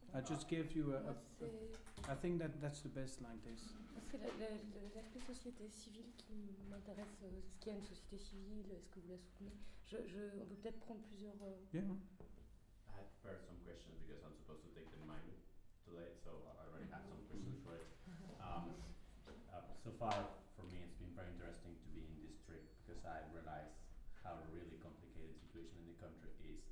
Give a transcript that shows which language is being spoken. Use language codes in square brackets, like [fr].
[en] I just gave you a I think that's the best like this. [fr] L'aspect société civile qui m'intéresse, est-ce qu'il y a une société civile, est-ce que vous la soutenez? On peut peut-être prendre plusieurs. [en] Yeah. I had prepared some questions because I'm supposed to take the mic too late, so I already had some questions for it. So far, for me, it's been very interesting to be in this trip because I realize how really complicated the situation in the country is.